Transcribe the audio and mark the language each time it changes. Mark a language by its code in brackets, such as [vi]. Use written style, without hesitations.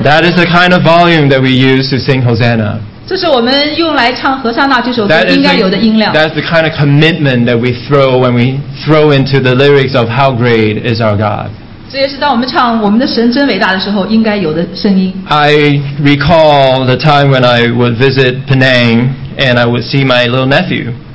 [en] That is the kind of volume that we use to sing Hosanna. [zh] 这是我们用来唱何塞那这首歌应该有的音量。 [en] That is the kind of commitment that we throw when we throw into the lyrics of How Great is Our God. [zh] 这也是当我们唱我们的神真伟大的时候应该有的声音。 [en] I recall the time when I would visit Penang and I would see my little nephew.